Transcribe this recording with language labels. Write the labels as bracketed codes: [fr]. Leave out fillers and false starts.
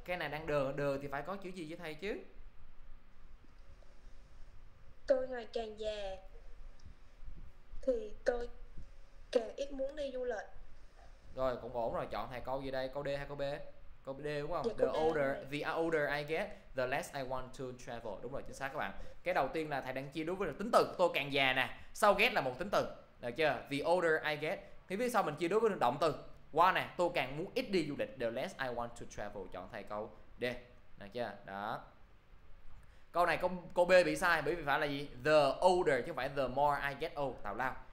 [vi] Cái này đang đờ, đờ thì phải có chữ gì với thầy chứ? Tôi ngày càng già thì tôi càng ít muốn đi du lịch. Rồi cũng ổn rồi, chọn thầy câu gì đây? Câu D hay câu B? Câu D đúng không? Dạ, [en] the older the older I get, the less I want to travel. [vi] Đúng rồi, chính xác các bạn. Cái đầu tiên là thầy đang chia đối với là tính từ, tôi càng già nè. Sau get là một tính từ, được chưa? [en] The older I get. [vi] Thì phía sau mình chia đối với động từ. Qua nè, tôi càng muốn ít đi du lịch, [en] the less I want to travel. [vi] Chọn thầy câu D. Được chưa? Đó. Câu này câu B bị sai bởi vì phải là gì? [en] The older [vi] chứ không phải [en] the more I get old. [vi] Tào lao.